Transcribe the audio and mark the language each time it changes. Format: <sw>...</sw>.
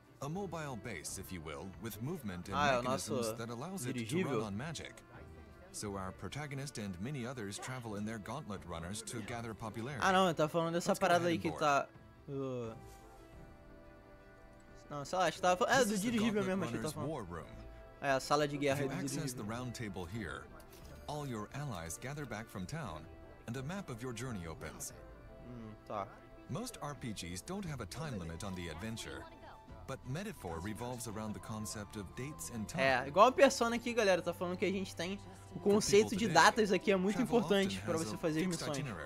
<en>A mobile base, if you will, with movement and mechanisms that allows it to run on magic. So our protagonist and many others travel in their Gauntlet Runners to gather popularity.</en> <pt>Ah, não, eu tava falando dessa parada aí que tá. Não, sei lá, acho que tava falando. É, do dirigível mesmo, acho que tava falando. É, a sala de guerra do dirigível.</pt> <en>Access the round table here. All your allies gather back from town, and a map of your journey opens.</en> <pt>Tá.</pt> <en>Most RPGs don't have a time limit on the adventure, but Metaphor revolves around the concept of dates and time.</en> <pt>É, igual a Persona aqui, galera, tá falando que a gente tem o conceito de datas aqui é muito importante para você fazer as missões.</pt>